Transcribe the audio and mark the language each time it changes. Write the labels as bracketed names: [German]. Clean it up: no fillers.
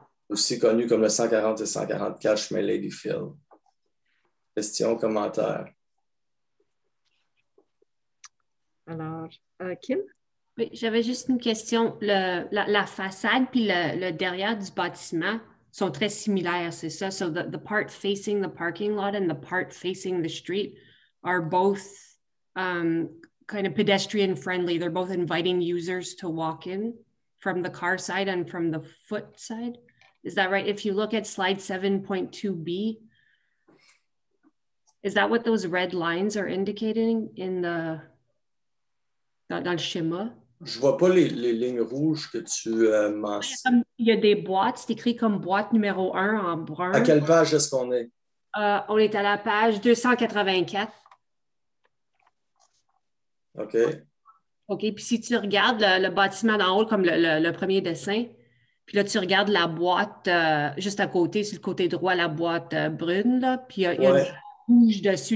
[French] Aussi connu comme le 140 et 144 chemin Ladyfield. Questions, commentaires? Alors, Kim? Oui, j'avais juste une question. La façade puis le derrière du bâtiment sont très similaires, c'est ça? [English] So the part facing the parking lot and the part facing the street are both kind of pedestrian friendly. They're both inviting users to walk in from the car side and from the foot side. Is that right? If you look at slide 7.2b, is that what those red lines are indicating in the [French] dans le schéma? Je vois pas les lignes rouges que tu mentionnes. Il y a des boîtes, c'est écrit comme boîte numéro 1 en brun. À quelle page est-ce qu'on est? On est à la page 284. OK. OK, puis si tu regardes le bâtiment d'en haut, comme le premier dessin, puis là, tu regardes la boîte juste à côté, sur le côté droit, la boîte brune, là, puis il y a, ouais, une rouge dessus.